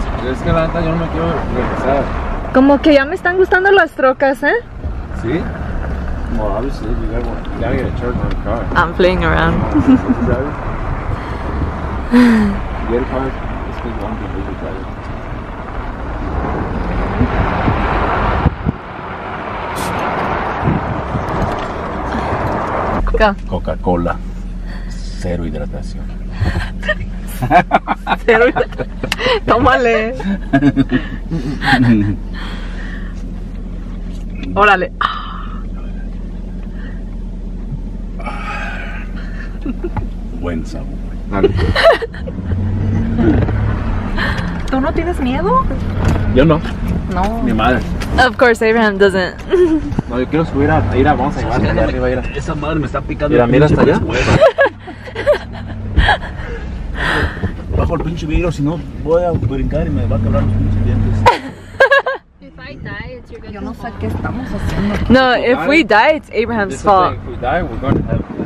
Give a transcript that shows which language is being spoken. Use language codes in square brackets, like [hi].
[es] Es que la neta yo no me quiero regresar. Como que ya me están gustando las trocas, ¿eh? Sí. [en] Well, obviously, you gotta, get a charge on the car. I'm playing around. Get a car, it's gonna be a bigger car. [es] Coca-Cola. Cero hidratación. Cero. Tómale. Órale. Buen sabor. ¿Tú no tienes miedo? Yo no. No. Mi madre. [en] Of course, Abraham doesn't. [es] No, yo quiero subir a ir a ir vamos a llevar allá arriba. Ir a... Esa madre me está picando. Mira, mira hasta allá. Bajo el pinche vidrio, si no voy a brincar y me va a quebrar los pinches dientes. Yo no sé qué estamos haciendo. [en] No, if we die, it's Abraham's fault. If we die, we're going to have.